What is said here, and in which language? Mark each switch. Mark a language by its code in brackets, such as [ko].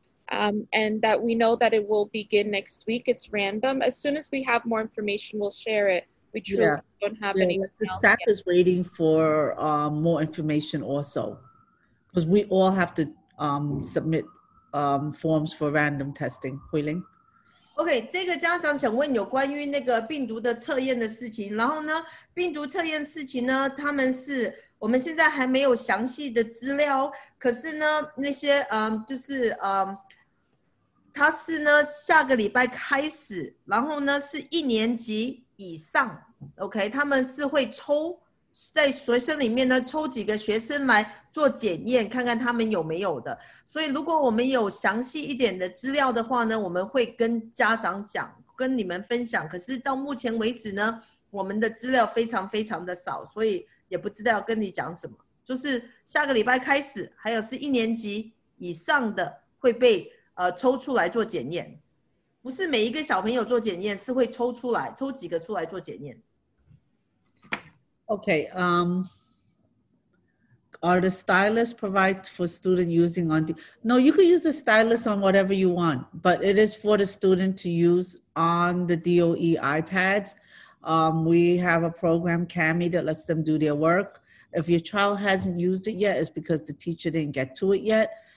[en] And that we know that it will begin next week. It's random. As soon as we have more information, we'll share it. We truly don't have any. The staff is waiting for more information also. Because we all have to submit forms for random testing. Hui Ling. [zh] OK， 这个家长想问有关于那个病毒的测验的事情，然后呢病毒测验事情呢他们是我们现在还没有详细的资料，可是呢那些就是他是呢下个礼拜开始，然后呢是一年级以上， OK， 他们是会抽在学生里面呢抽几个学生来做检验看看他们有没有的，所以如果我们有详细一点的资料的话呢我们会跟家长讲跟你们分享，可是到目前为止呢我们的资料非常非常的少，所以也不知道要跟你讲什么，就是下个礼拜开始还有是一年级以上的会被抽出来做检验，不是每一个小朋友做检验，是会抽出来抽几个出来做检验。 [en] Okay, are the stylus provided for student using on the, no, you could use the stylus on whatever you want, but it is for the student to use on the DOE iPads. We have a program, CAMI, that lets them do their work. If your child hasn't used it yet, it's because the teacher didn't get to it yet.